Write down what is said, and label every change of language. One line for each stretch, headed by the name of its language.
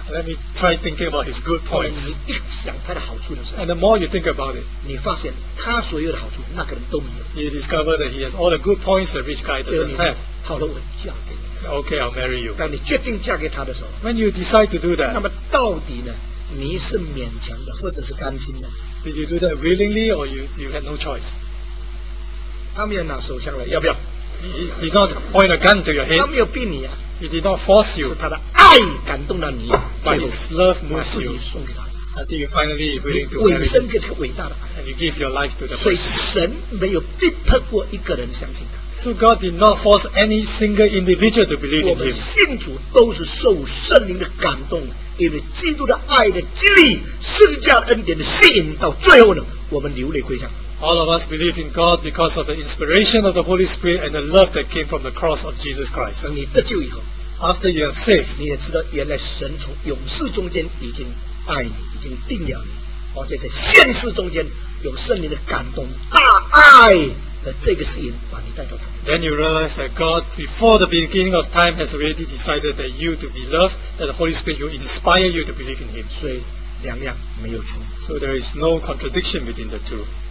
English: Let me try thinking about his good points.
Chinese: 你一想他的好处的时候，
English: and the more you think about it,
Chinese: 你发现他所有的好处那个人都没有。
English: You discover that he has all the good points the rich guy doesn't have.
Chinese: 好了，我嫁给你。
English: So, okay, I'll marry you.
Chinese: 当你决定嫁给他的时候，
English: when you decide to do that,
Chinese: 那么到底呢？你是勉强的，或者是甘心的？
English: Did you do that willingly, or you had no choice?
Chinese: 他没有拿手枪来，要不要？
English: He did not point a gun to your head.
Chinese: 他没有逼你啊。
English: He did not force you.
Chinese: 是他的爱感动了你。
English: But his love moves you.
Chinese: 把自己送给他。
English: Until you finally willing to marry.
Chinese: 委身给他伟大的。
English: And you give your life to the person.
Chinese: 所以神没有逼迫过一个人相信他。
English: So God did not force any single individual to believe in him.
Chinese: 我们信主都是受圣灵的感动，因为基督的爱的激励，施加恩典的吸引，到最后呢，我们流泪归向。
English: All of us believe in God because of the inspiration of the Holy Spirit and the love that came from the cross of Jesus Christ.
Chinese: 你得救以后，
English: after you are saved,
Chinese: 你也知道原来神从永世中间已经爱你，已经定了你，而且在现世中间有圣灵的感动，大爱的这个吸引把你带到他。
English: Then you realize that God, before the beginning of time, has already decided that you to be loved, that the Holy Spirit will inspire you to believe in Him.
Chinese: 所以两样没有冲突。
English: So there is no contradiction between the two.